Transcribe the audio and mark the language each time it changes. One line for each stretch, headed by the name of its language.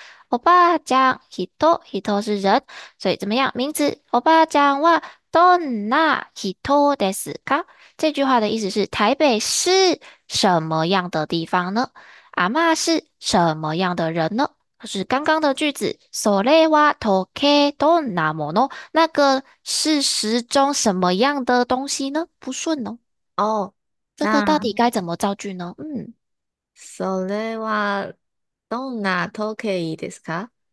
Chinese: おばあちゃん、人是人，所以怎么样？名词。
Japanese: おばあちゃんはどんな人ですか？
Chinese: 这句话的意思是台北是什么样的地方呢？阿嬷是什么样的人呢？是刚刚的句子。
Japanese: それは時計どんなもの？
Chinese: 那个是时钟什么样的东西呢？不顺哦。哦，这个到底该怎么造句呢？
Japanese: それはどんな時計ですか？